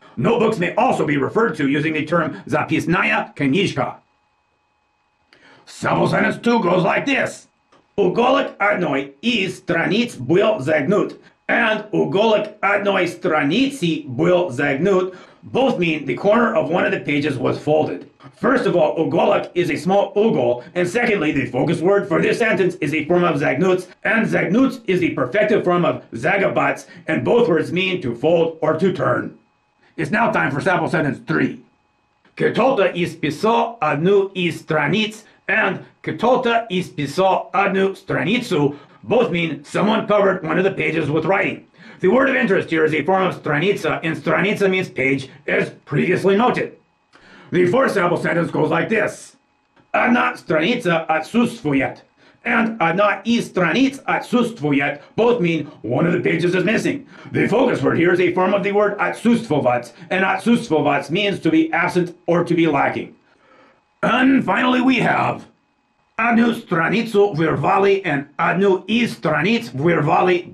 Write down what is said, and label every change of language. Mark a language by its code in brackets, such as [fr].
[en] Notebooks may also be referred to using the term записная книжка. Sample sentence two goes like this. [ru] Уголок одной из страниц был загнут, [en] and [ru] уголок одной страницы был загнут. [en] Both mean the corner of one of the pages was folded. First of all, уголок is a small угол, and secondly, the focus word for this sentence is a form of загнут, and загнут is the perfective form of загибать, and both words mean to fold or to turn. It's now time for sample sentence three. [ru] Кто-то исписал одну из страниц, [en] and [ru] кто-то исписал одну страницу. [en] Both mean someone covered one of the pages with writing. The word of interest here is a form of страница, and страница means page, as previously noted. The fourth sample sentence goes like this. [ru] Одна страница отсутствует, [en] and [ru] одна из страниц отсутствует. [en] Both mean one of the pages is missing. The focus word here is a form of the word отсутствовать, and отсутствовать means to be absent or to be lacking. And finally we have [ru] Одну страницу вырвали [en] and [ru] одну из страниц вырвали.